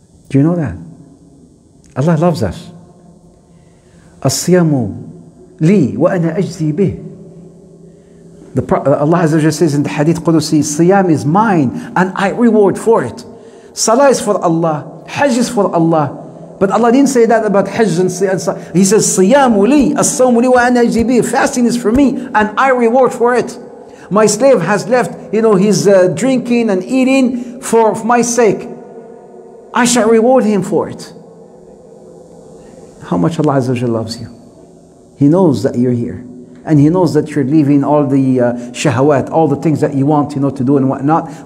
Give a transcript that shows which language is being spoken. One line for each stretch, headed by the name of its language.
English: Do you know that? Allah loves us.
Arabic: الصيام لي وأنا أجزي به.
English: Allah Azza wa Jalla says in the Hadith Qudusi, Siyam is mine and I reward for it. Salah is for Allah. Hajj is for Allah. But Allah didn't say that about Hajj and Siyam. He says, Siyam li,
Arabic: الصوم لي وأنا أجزي به.
English: Fasting is for me and I reward for it. My slave has left, his drinking and eating for my sake. I shall reward him for it. How much Allah Azza wa Jalla loves you. He knows that you're here. And he knows that you're leaving all the shahawat, all the things that you want, to do and whatnot.